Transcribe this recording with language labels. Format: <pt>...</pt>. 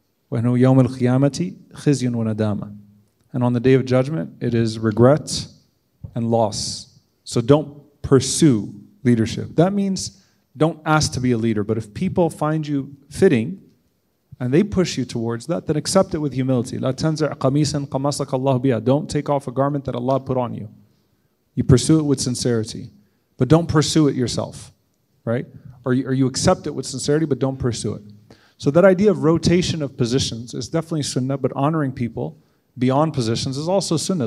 <ar>وَهُنُوا يَوْمِ الْخِيَامَةِ خِزْيٌ وَنَدَامَةٌ.</ar> <en>And on the day of judgment, it is regret and loss. So don't pursue leadership. That means don't ask to be a leader, but if people find you fitting and they push you towards that, then accept it with humility.</en> <ar>لا تنزع قميصا قمصك الله بها.</ar> <en>Don't take off a garment that Allah put on you. You pursue it with sincerity, but don't pursue it yourself, right? Or you accept it with sincerity, but don't pursue it. So that idea of rotation of positions is definitely sunnah, but honoring people beyond positions is also sunnah.</en>